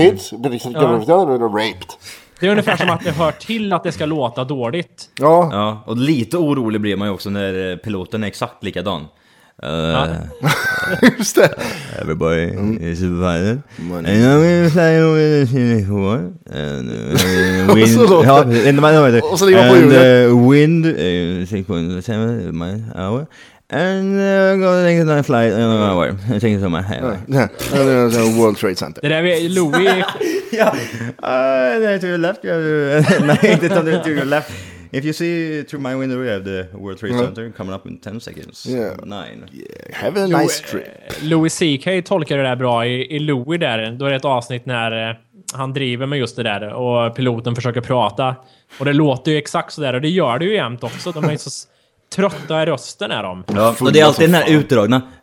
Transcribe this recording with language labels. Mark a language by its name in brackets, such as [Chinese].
[Swedish] Det är ungefär som att det hör till att det ska låta dåligt. Ja. Ja, och lite orolig blir man ju också när piloten är exakt likadan. Just det. [English] Everybody is fine. And now we're flying over the city hall. And the wind... [Swedish] Och så låter det. [English] And the wind is 6.7 miles an hour. And I'm going to take a flight in an hour. Thank you so much. Yeah. World Trade Center. [Swedish] Det där är Louis. [English] Yeah. To your left. [Swedish] Nej, det är [English] to your left. If you see through my window, we have the World Trade Center coming up in 10 seconds. Yeah. Have a nice trip. [Swedish] Louis C.K. tolkar det där bra i Louis där. Då är det ett avsnitt när han driver med just det där och piloten försöker prata. Och det låter ju exakt så där. Och det gör det ju jämt också. De är så... Trötta i rösten är de. Ja, och det är alltid den här utdragna.